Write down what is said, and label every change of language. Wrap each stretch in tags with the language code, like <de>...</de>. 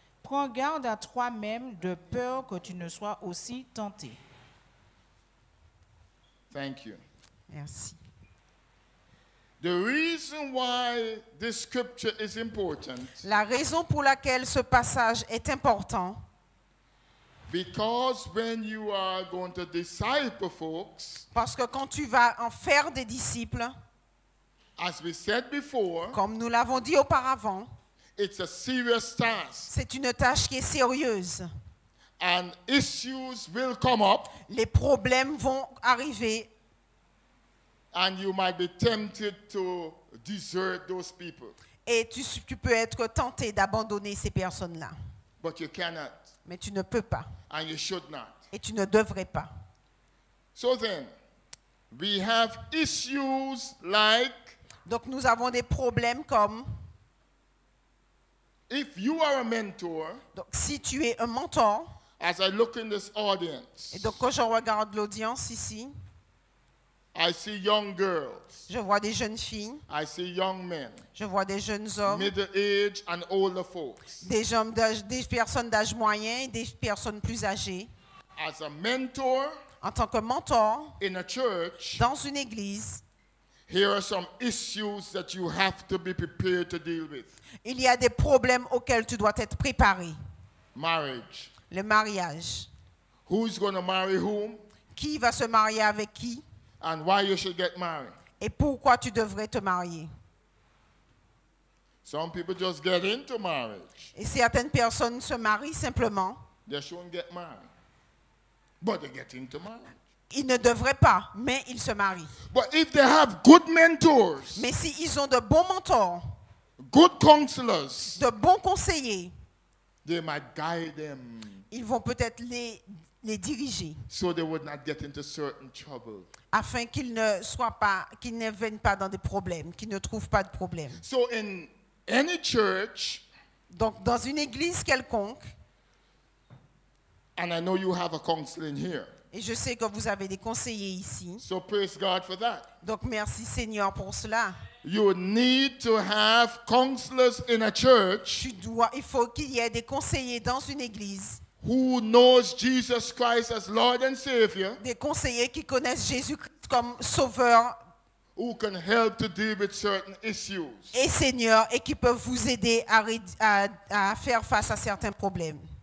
<fr>Prends garde à toi-même de peur que tu ne sois aussi tenté.</fr> <en>Thank you.</en> <fr>Merci.</fr> <en>The reason why this scripture is important.</en> <fr>La raison pour laquelle ce passage est important.</fr> <en>Because when you are going to disciple folks.</en> <fr>Parce que quand tu vas en faire des disciples.</fr> <en>As we said before.</en> <fr>Comme nous l'avons dit auparavant.</fr> <en>It's a serious task.</en> <fr>C'est une tâche qui est sérieuse.</fr> <en>And issues will come up.</en> <fr>Les problèmes vont arriver.</fr> <en>And you might be tempted to desert those people.</en> <fr>Et tu peux être tenté d'abandonner ces personnes-là.</fr> <en>But you cannot.</en> <fr>Mais tu ne peux pas.</fr> <en>And you should not.</en> <fr>Et tu ne devrais pas.</fr> <en>So then, we have issues like.</en> <fr>Donc nous avons des problèmes comme.</fr> <en>If you are a mentor,</en> <fr>donc, si tu es un mentor,</fr> <en>as I look in this audience,</en> <fr>et donc quand je regarde l'audience ici,</fr> <en>I see young girls,</en> <fr>je vois des jeunes filles,</fr> <en>I see young men,</en> <fr>je vois des jeunes hommes,</fr> <en>middle age and older folks,</en> <fr>des personnes d'âge moyen et des personnes plus âgées.</fr> <en>As a mentor,</en> <fr>en tant que mentor,</fr> <en>in a church,</en> <fr>dans une église,</fr> <en>here are some issues that you have to be prepared to deal with.</en> <fr>Il y a des problèmes auxquels tu dois être préparé.</fr> <en>Marriage.</en> <fr>Le mariage.</fr> <en>Who's going to marry whom?</en> <fr>Qui va se marier avec qui?</fr> <en>And why you should get married?</en> <fr>Et pourquoi tu devrais te marier?</fr> <en>Some people just get into marriage.</en> <fr>Et certaines personnes se marient simplement.</fr> <en>They shouldn't get married. But they get into marriage.</en> <fr>Ils ne devraient pas, mais ils se marient.</fr> <en>But if they have good mentors,</en> <fr>mais s'ils ont de bons mentors,</fr> <en>good counselors,</en> <fr>de bons conseillers,</fr> <en>they might guide them,</en> <fr>ils vont peut-être les diriger</fr> <en>so they would not get into certain trouble.</en> <fr>Afin qu'ils ne soient pas, qu'ils ne viennent pas dans des problèmes, qu'ils ne trouvent pas de problèmes.</fr> <en>So in any church,</en> <fr>donc dans une église quelconque,</fr> <en>and I know you have a counseling here.</en> <fr>Et je sais que vous avez des conseillers ici.</fr> <en>So praise God for that.</en> <fr>Donc merci Seigneur pour cela.</fr> <en>You need to have counselors in a church.</en> <fr>Il faut qu'il y ait des conseillers dans une église.</fr> <en>Who knows Jesus Christ as Lord and Savior.</en> <fr>Des conseillers qui connaissent Jésus-Christ comme Sauveur.</fr> <en>Who can help to deal with certain issues.</en> <fr>Et Seigneur, et qui peuvent vous aider à faire face à certains problèmes.</fr>